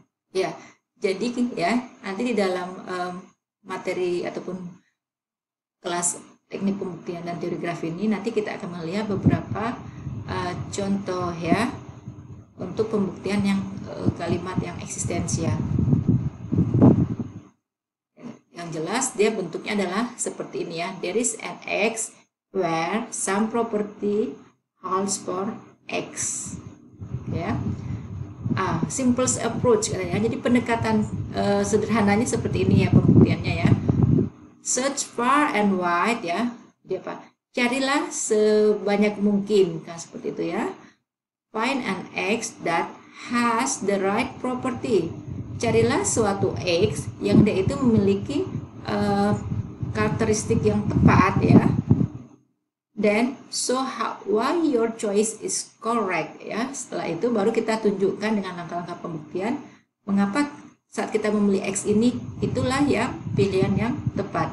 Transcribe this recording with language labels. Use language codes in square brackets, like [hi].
[id] Ya, jadi ya, nanti di dalam materi ataupun kelas teknik pembuktian dan teori graf ini, nanti kita akan melihat beberapa contoh ya untuk pembuktian yang kalimat yang eksistensial. Yang jelas dia bentuknya adalah seperti ini ya. [en] There is an X where some property holds for x, ya. Ah, simplest approach katanya. [id] Jadi pendekatan sederhananya seperti ini ya pembuktiannya ya. [en] Search far and wide [id] ya. Jadi apa? Carilah sebanyak mungkin kan seperti itu ya. [en] Find an x that has the right property. [id] Carilah suatu x yang dia itu memiliki karakteristik yang tepat ya. [en] Then so how, why your choice is correct ya. [id] Setelah itu baru kita tunjukkan dengan langkah-langkah pembuktian mengapa saat kita memilih x ini itulah ya pilihan yang tepat.